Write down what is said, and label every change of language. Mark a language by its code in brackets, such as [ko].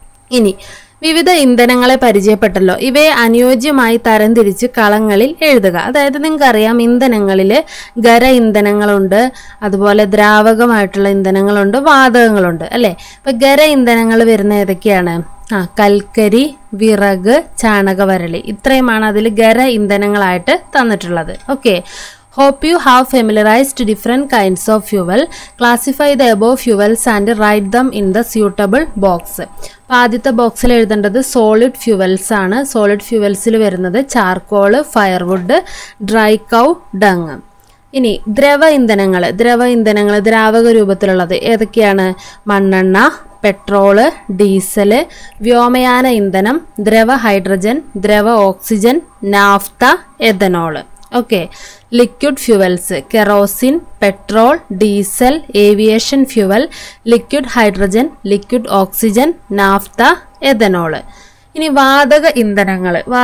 [ml] ഇനി വിവിധ ഇന്ധനങ്ങളെ പരിചയപ്പെട്ടല്ലോ ഇവയെ അനുയോജ്യമായി തരംതിരിച്ച് കളങ്ങളിൽ എഴുതുക അതായത് നിങ്ങൾക്കറിയാം ഇന്ധനങ്ങളിൽ ഖര ഇന്ധനങ്ങളുണ്ട് അതുപോലെ ദ്രാവകമായിട്ടുള്ള ഇന്ധനങ്ങളുണ്ട് വാതകങ്ങളുണ്ട് അല്ലേ ഇപ്പോൾ ഖര ഇന്ധനങ്ങൾ വരുന്ന ഏതൊക്കെയാണ് ആ കൽക്കരി വിറക് ചാണകവരളി ഇത്രയുമാണ് അതിൽ ഖര ഇന്ധനങ്ങളായിട്ട് തന്നിട്ടുള്ളത് okay [en] Hope you have familiarized different kinds of fuel. Classify the above fuels and write them in the suitable box. [ml] ആദ്യത്തെ ബോക്സിൽ എഴുതേണ്ടത് സോളിഡ് ഫ്യൂവൽസ് ആണ് സോളിഡ് ഫ്യൂവൽസിൽ വരുന്നത് [en] charcoal firewood dry cow dung [ml] ഇനി ദ്രവ ഇന്ധനങ്ങൾ ദ്രാവക രൂപത്തിലുള്ളത് ഏതൊക്കെയാണ് മണ്ണെണ്ണ പെട്രോള് ഡീസല് വ്യോമയാന ഇന്ധനം ദ്രവ hydrogen ദ്രവ oxygen naphtha ethanol okay [en] liquid fuels kerosene petrol diesel aviation fuel liquid hydrogen liquid oxygen naphtha ethanol [ml] ഇനി വാതക ഇന്ധനങ്ങൾ